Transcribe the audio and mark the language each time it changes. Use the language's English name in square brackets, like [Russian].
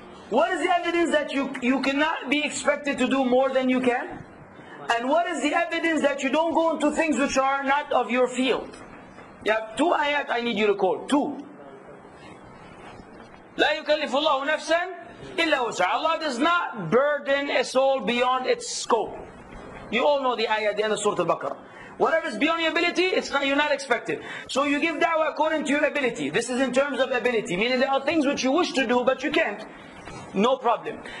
[English] What is the evidence that you cannot be expected to do more than you can? And what is the evidence that you don't go into things which are not of your field? You have two ayat I need you to quote. Two. [Arabic] لا يكلف الله نفسا إلا وسعها. [English] Allah does not burden a soul beyond its scope. You all know the ayat, the end of Surah Al-Baqarah. Whatever is beyond your ability, you're not expected. So you give da'wah according to your ability. This is in terms of ability. Meaning there are things which you wish to do, but you can't. No problem.